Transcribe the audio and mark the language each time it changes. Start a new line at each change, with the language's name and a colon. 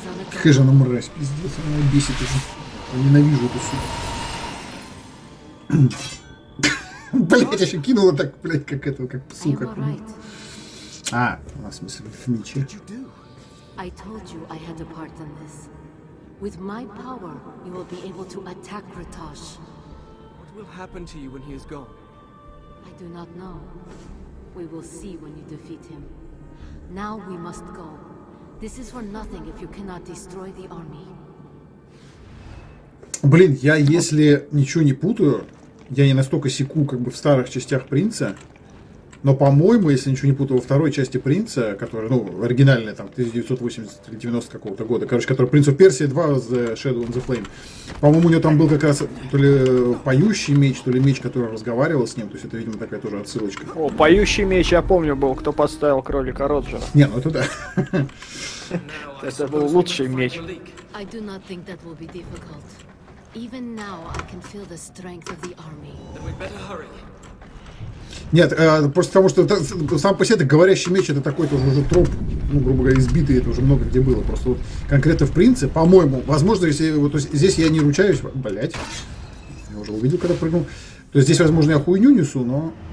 Russian: Какая же она мразь, пиздец, она бесит уже. Я ненавижу эту суку. Блять, я еще кинула так, блять, как этого, как сука. А, у нас смысл в мече.
English: I told you I had a part in this. With my power, you will be able to attack Ratosh. What will happen to you when he is gone? I do not know. We will see when you defeat him. Now we must go. This is for nothing if you cannot destroy the army.
Russian: Блин, я если ничего не путаю, я не настолько секу, как бы в старых частях принца. Но, по-моему, если ничего не путаю, во второй части принца, которая, ну, оригинальная, там, 1980-90 какого-то года, короче, которая Prince of Persia 2 The Shadow and the Flame, по-моему, у него там был как раз то ли поющий меч, то ли меч, который разговаривал с ним, то есть это, видимо, такая тоже отсылочка. О, поющий меч, я помню, был, кто поставил кролика Роджера. Не, ну это да. Это был лучший меч.
English: I do not think that will be difficult. Even now I can feel the strength of the army. Then we'd better hurry.
Russian: Нет, просто потому что сам по себе это говорящий меч, это такой тоже уже троп, ну, грубо говоря, избитый, это уже много где было. Просто вот конкретно в принципе, по-моему, возможно, если вот, то есть здесь я не ручаюсь, блять, я уже увидел, когда прыгнул. То есть здесь, возможно, я хуйню несу, но...